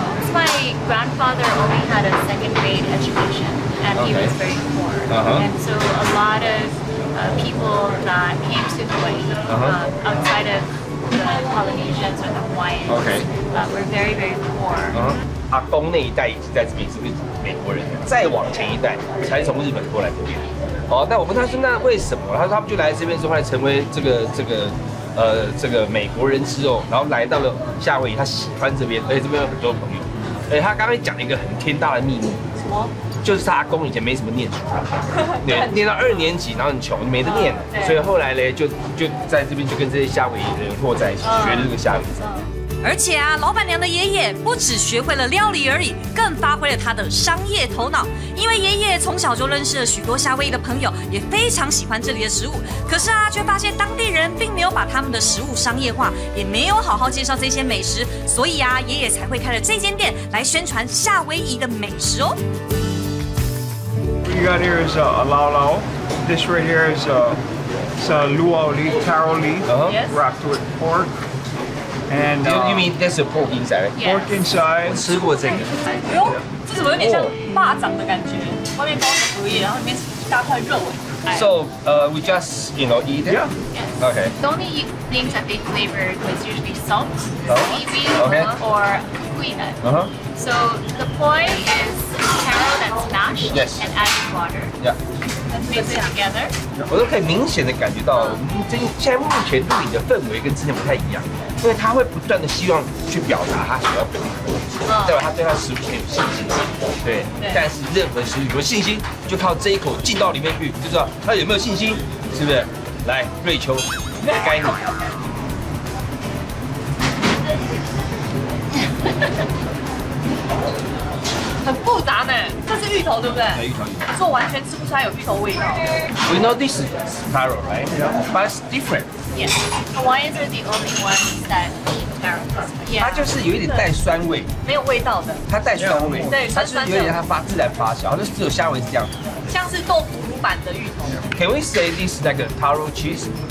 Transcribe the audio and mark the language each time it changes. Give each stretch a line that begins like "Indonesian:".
English: My grandfather only had a second grade education, and he was very poor. And so a lot of people that came to Hawaii outside of the Polynesians or the Hawaiians were very, very poor. Uh-huh.
Chinese: 阿公那一代一直在这边，是不是美国人？再往前一代才从日本过来这边。好，但我问他说，那为什么？他说他们就来这边之后，成为这个美国人之后，然后来到了夏威夷，他喜欢这边，而且这边有很多朋友。哎，他刚才讲了一个很天大的秘密，什么？就是他阿公以前没什么念书，念到二年级，然后很穷，没得念，所以后来呢，就在这边就跟这些夏威夷的人混在一起，学了这个夏威夷菜。而且啊，老板娘的爷爷不只学会了料理而已，更发挥了他的商业头脑。因为爷爷从小就认识了许多夏威夷的朋友，也非常喜欢这里的食物。可是啊，却发现当地人并没有把他们的食物商业化，也没有好好介绍这些美食，所以啊，爷爷才会开了这间店来宣传夏威夷的美食哦。
English: We got here is a lao lao. This right here is a luau leaf, taro leaf, wrapped with pork. And you mean there's a pork inside? Yes. Pork inside.
Chinese: 我吃过这个。哟，这怎么有点像蚂蚱的感觉？外面包着竹叶，然后里面是一大块肉。
English: So, we just, you know, eat it? Yeah. Yes. Okay. The only things that they flavored was usually salt, seaweed, or cuina. So, the poi is taro that's mashed and added water. Yeah. Together.
Chinese: 我都可以明显的感觉到，现在目前录影的氛围跟之前不太一样，因为他会不断的希望去表达他想要表达的，代表他对他食物很有信心。对，但是任何食物有信心，就靠这一口进到里面去，就知道他有没有信心，是不是？来，瑞秋，该你。很复杂呢，这是芋头对不对？芋头，可是我完全吃不出来有芋头味道。
English: We know this is taro, right? Yeah. But it's different. Yes, Hawaiians are the only ones that eat taro.
Chinese: Yeah. 它就是有一点带酸味，没有味道的。它带酸味，对，它是有点它发自然发酵，它就只有夏威夷这样。像是豆腐版的芋头。
English: Can we say this like a taro cheese?